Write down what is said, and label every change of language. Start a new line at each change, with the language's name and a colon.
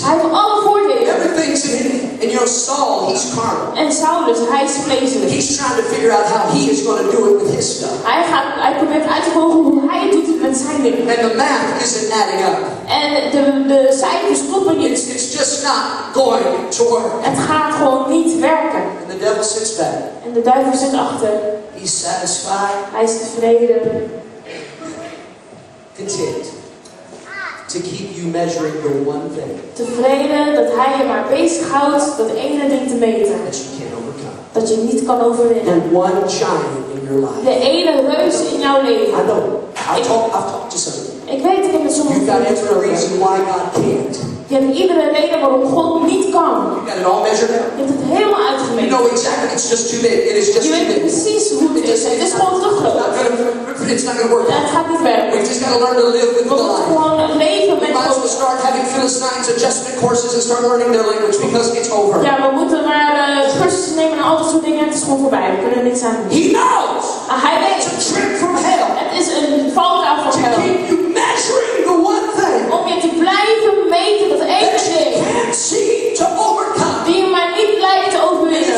Dutch: Hij heeft alle voordelen.
English: Everything's in your soul, he's carnal.
Dutch: En Saulus, hij is vleeselijk.
English: He's trying to figure out how he is going to do it with his stuff.
Dutch: Hij probeert uit te vogelen hoe hij doet het met zijn dingen.
English: And the math isn't adding up.
Dutch: En de cijfers kloppen niet.
English: It's just not going to work.
Dutch: Het gaat gewoon niet werken.
English: And the devil sits back.
Dutch: En de duivel zit achter.
English: He's satisfied.
Dutch: Hij is tevreden.
English: Content. To keep you measuring the one thing.
Dutch: Tevreden dat hij je maar bezighoudt dat ene ding te meten.
English: That you can't overcome.
Dutch: Dat je niet kan overwinnen.
English: The one giant in your life.
Dutch: De ene reus in jouw leven.
English: I know. I've talked to some.
Dutch: Ik weet, ik heb met sommigen.
English: You've got every reason why God can't.
Dutch: Je hebt iedere reden waarom God niet kan.
English: You've got it all measured out.
Dutch: Je hebt het helemaal uitgemeten.
English: You know exactly. It's just too big. It is just
Dutch: je
English: too big.
Dutch: Je weet precies hoe het is. Het is gewoon te groot.
English: It's not gonna work.
Dutch: Dat gaat niet werken.
English: We've just got to learn to live with God.
Dutch: We moeten gewoon leven met God.
English: We might as well start having Philistines adjustment courses and start learning their language because it's over.
Dutch: Ja, we moeten maar cursussen nemen en al dat soort dingen. Het is gewoon voorbij. We kunnen niks aan doen.
English: He knows.
Dutch: Hij weet.
English: It's a trick from hell.
Dutch: Het is een valkuil van hel.
English: To keep you measuring the one thing.
Dutch: Om je te blijven meten dat ene ding.
English: That you can't see to overcome.
Dutch: Die je maar niet lijkt te overwinnen.